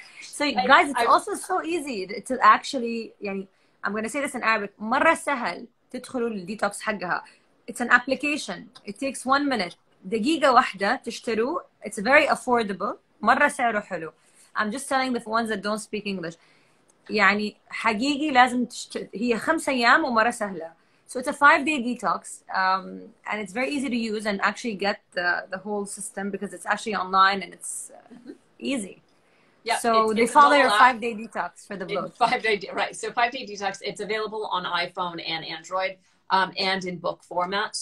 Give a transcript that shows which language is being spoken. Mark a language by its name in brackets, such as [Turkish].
[English] So guys, it's also so easy to actually, يعني, I'm going to say this in Arabic, [Arabic] مرة سهل تدخلوا للديتوكس حقها. [English] It's an application. It takes 1 minute. [Arabic] دقيقة واحدة تشتروا. [English] It's very affordable. [Arabic] مرة سعره حلو. [English] I'm just telling the ones that don't speak English. [Arabic] يعني حقيقي لازم هي 5 أيام ومرة سهلة. [English] So it's a 5-day detox. And it's very easy to use and actually get the whole system because it's actually online and it's easy. Yeah, so they follow your 5-day detox for the book. 5-day, right. So 5-day detox, it's available on iPhone and Android and in book format.